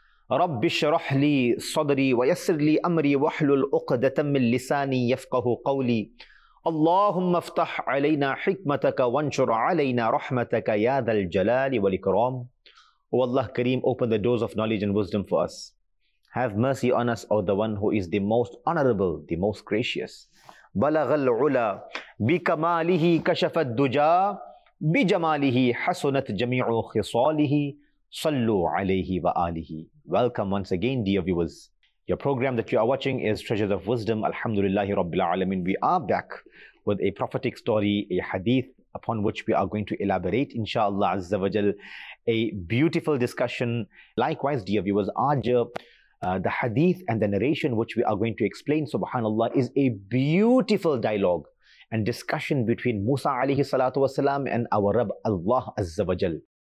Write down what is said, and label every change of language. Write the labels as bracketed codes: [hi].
[ar] رب اشرح لي صدري ويسر لي أمري واحلل عقدة من لساني يفقه قولي اللهم افتح علينا حكمتك وانشر علينا رحمتك يا ذا الجلال والإكرام [en] O Allah Kareem, open the doors of knowledge and wisdom for us. Have mercy on us, O the one who is the most honorable, the most gracious. [ar] بلغ العلا بكماله كشف الدجا بجماله حسنت جميع خصاله صلوا عليه وآله. [en] Welcome once again, dear viewers. Your program that you are watching is Treasures of Wisdom. Alhamdulillahi Rabbil Alameen. We are back with a prophetic story, a hadith upon which we are going to elaborate, inshallah, Azza wa Jal. A beautiful discussion. Likewise, dear viewers, the hadith and the narration which we are going to explain, subhanallah, is a beautiful dialogue and discussion between Musa alayhi salatu wasalam and our Rabb Allah Azza wa Jal.